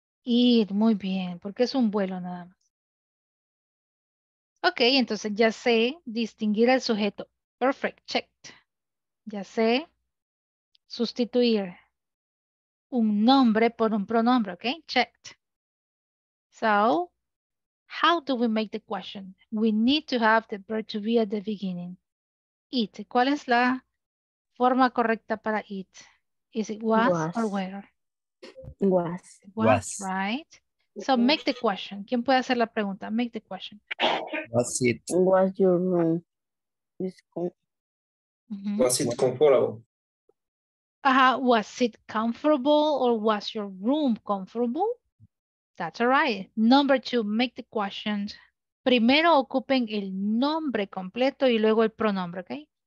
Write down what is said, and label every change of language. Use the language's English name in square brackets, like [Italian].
[Spanish] It, muy bien, porque es un vuelo nada más. Ok, entonces ya sé distinguir al sujeto. [English] Perfect, checked. [Spanish] Ya sé sustituir un nombre por un pronombre, ok? [English] Checked. So, how do we make the question? We need to have the verb to be at the beginning. [Spanish] It, ¿cuál es la forma correcta para it? [English] Is it was or where? Was. Right? So make the question. [Spanish] ¿Quién puede hacer la pregunta? [English] Make the question. Was it? Was your room? Was it comfortable? Was it comfortable or was your room comfortable? That's all right. Number two, make the questions. [Spanish] Primero ocupen el nombre completo y luego el pronombre, ¿ok?